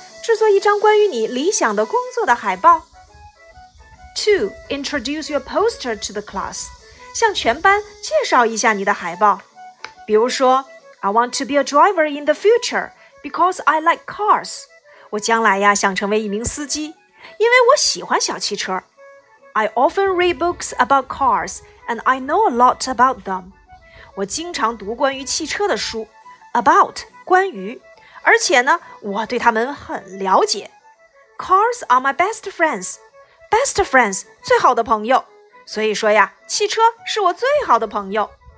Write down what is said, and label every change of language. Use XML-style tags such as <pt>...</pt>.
<zh>制作一张关于你理想的工作的海报。</zh> <en>2. Introduce your poster to the class.</en> <zh>向全班介绍一下你的海报。比如说，</zh> <en>I want to be a driver in the future because I like cars.</en> <zh>我将来呀想成为一名司机，因为我喜欢小汽车。</zh> <en>I often read books about cars and I know a lot about them.</en> <zh>我经常读关于汽车的书。 About 关于，而且呢，我对他们很了解。</zh> <en>Cars are my best friends. Best friends,</en> <zh>最好的朋友。所以说呀，汽车是我最好的朋友。</zh>